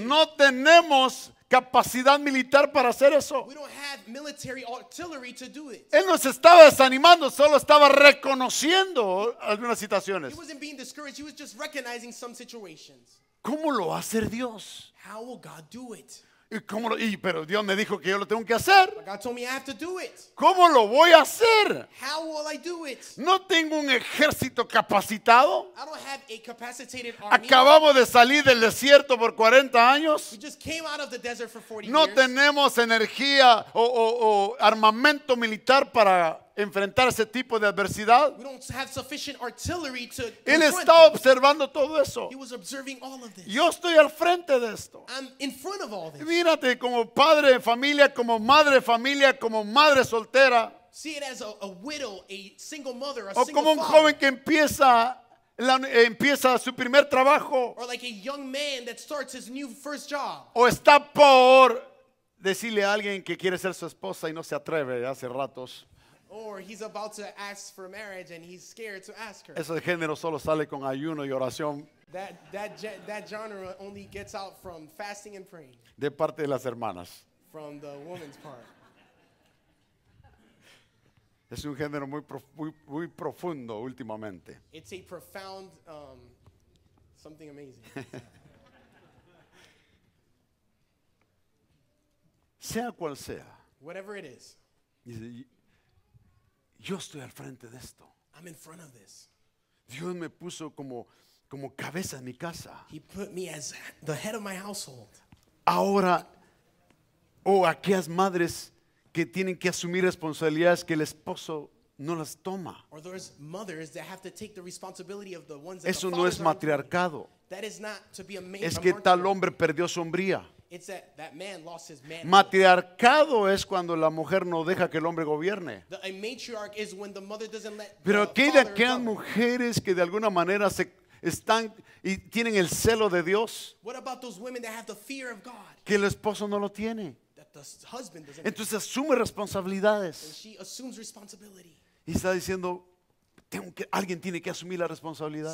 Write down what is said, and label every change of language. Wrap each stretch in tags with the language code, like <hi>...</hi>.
<es>No tenemos capacidad militar para hacer eso.</es> <en>We don't have military artillery to do it.</en> <es>Él nos estaba desanimando, solo estaba reconociendo algunas situaciones.</es> <en>He wasn't being discouraged, he was just recognizing some situations.</en> <es>¿Cómo lo va a hacer Dios?</es> <en>How will God do it?</en> <es>Pero Dios me dijo que yo lo tengo que hacer.</es> <en>God told me I have to do it.</en> <es>¿Cómo lo voy a hacer?</es> <en>How will I do it?</en> <es>No tengo un ejército capacitado.</es> <en>I don't have a capacitated army.</en> <es>Acabamos de salir del desierto por 40 años.</es> <en>We just came out of the desert for 40</en> <es>no</es> <en>years.</en> <es>Tenemos energía o armamento militar para enfrentar ese tipo de adversidad.</es> <en>We don't have sufficient artillery to confront.</en> <es>Él está observando todo eso.</es> <en>He was observing all of this.</en> <es>Yo estoy al frente de esto.</es> <en>I'm in front of all this.</en> <es>Mírate como padre de familia, como madre de familia, como madre soltera.</es> <en>See it as a widow, a single mother, a</en> <es>o</es> <en>single</en> <es>como un</es> <en>father.</en> <es>Joven que empieza su primer trabajo.</es> <en>Or like a young man that starts his new first job.</en> <es>O está por decirle a alguien que quiere ser su esposa y no se atreve hace ratos.</es> <en>Or he's about to ask for marriage and he's scared to ask her.</en> <es>Ese género solo sale con ayuno y oración.</es> <en>That genre only gets out from fasting and praying.</en> <es>De parte de las hermanas.</es> <en>From the woman's part.</en> <es>Es un género muy profundo últimamente.</es> <en>It's a profound something amazing.</en> <es>Sea cual sea.</es> <en>Whatever it is.</en> <es>Yo estoy al frente de esto.</es> <en>I'm in front of this.</en> <es>Dios me puso como cabeza en mi casa.</es> <en>He put me as the head of my household.</en> <es>Ahora, aquellas madres que tienen que asumir responsabilidades que el esposo no las toma.</es> <en>Or those mothers that have to take the responsibility of the ones.</en> <es>Eso no es matriarcado.</es> <en>That is not to be a man.</en> <es>Es que tal hombre perdió sombría.</es> <en>It's that man lost his manhood.</en> <es>Matriarcado es cuando la mujer no deja que el hombre gobierne.</es> <en>A matriarch is when the mother doesn't let.</en> <es>Pero aquellas mujeres que de alguna manera se están y tienen el celo de Dios.</es> <en>What about those women that have the fear of God?</en> <es>Que el esposo no lo tiene.</es> <en>That the husband doesn't.</en> <es>Entonces asume responsabilidades.</es> <en>And she assumes responsibility.</en> <es>Y está diciendo, alguien tiene que asumir la responsabilidad.</es>